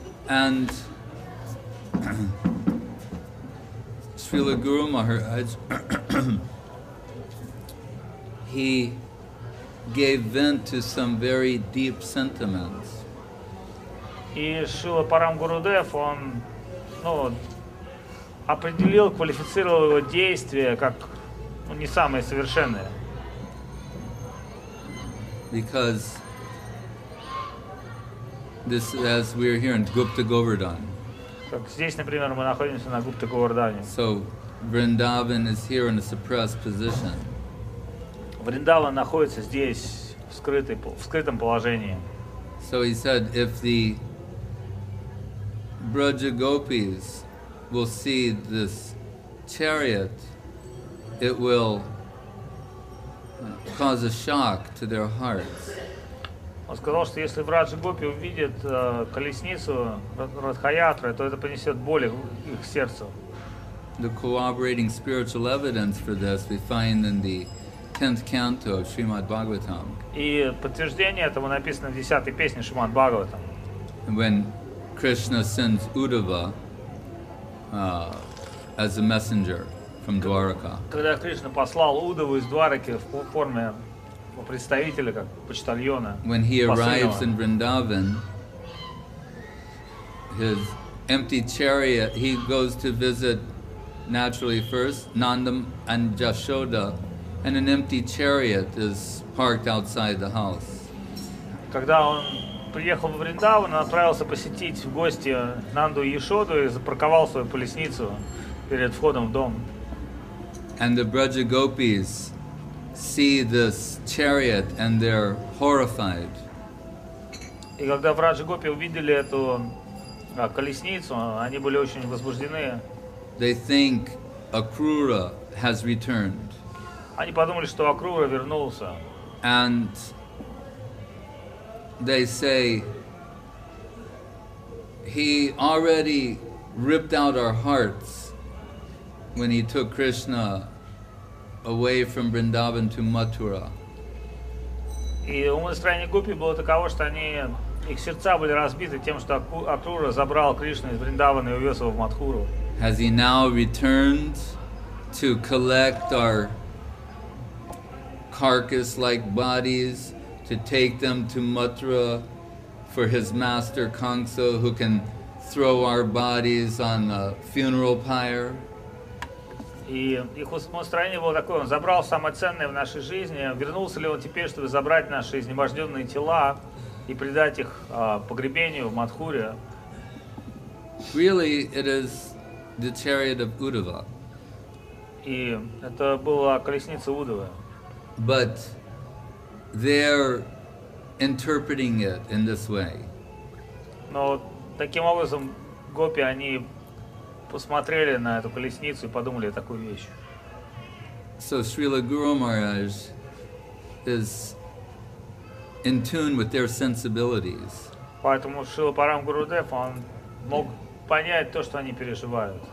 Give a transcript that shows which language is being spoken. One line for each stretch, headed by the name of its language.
English: And Srila Guru Maharaj he gave vent to some very deep sentiments.
Russian: И Шрила Парам Гурудев, он, ну, определил, квалифицировал его действия как не самые совершенные.
English: Because this, as we are here in Gupta Govardhan.
Russian: Так здесь, например, мы находимся на Гупта Говардане.
English: So Vrindavan is here in a suppressed position.
Russian: Вриндаван находится здесь в скрытом положении.
English: So he said, if the Braja Gopis will see this chariot, it will cause a shock to their hearts.
Russian: Он сказал, что если Враджа Гопи увидит колесницу Радхаятры, то это принесет боль их сердцу.
English: The corroborating spiritual evidence for this we find in the 10th canto of Srimad Bhagavatam.
Russian: И подтверждение этому написано в 10-й песне Шримад Бхагаватам.
English: When Krishna sends Uddhava as a messenger from Dwaraka.
Russian: Когда Кришна послал Удаву из Двараки в форме представителя, как почтальона.
English: When he arrives in Vrindavan, his empty chariot, he goes to visit naturally first Nanda and Yashoda, and an empty chariot is parked outside the house.
Russian: Когда он приехал в Вриндаван, он отправился посетить в гости Нанду и Яшоду и запарковал свою колесницу перед входом в дом.
English: And the Braja Gopis see this chariot and they're horrified.
Russian: И когда в Раджа-гопи увидели эту колесницу, они были очень возбуждены.
English: They think Акрура has returned.
Russian: Они подумали, что Акрура вернулся.
English: And they say he already ripped out our hearts when he took Krishna away from Vrindavan to Mathura.
Russian: И умонастроение гопи было таково, что они их сердца были разбиты тем, что Акрура забрал Кришну из Вриндавана и увез его в Матхуру.
English: Has he now returned to collect our carcass-like bodies to take them to Mathura for his master Kamsa, who can throw our bodies on a funeral pyre?
Russian: И их умонастроение было такое: он забрал самое ценное в нашей жизни, вернулся ли он теперь, чтобы забрать наши изнеможденные тела и предать их погребению в Матхуре?
English: Really, it is the chariot of Uddhava.
Russian: И это была колесница Удава.
English: But they're interpreting it in this way.
Russian: Но таким образом гопи они посмотрели на эту колесницу и подумали такую вещь.
English: So Srila Guru Maharaj is in tune with their sensibilities.
Russian: Поэтому Шрила Парам Гурудев он мог понять то, что они переживают.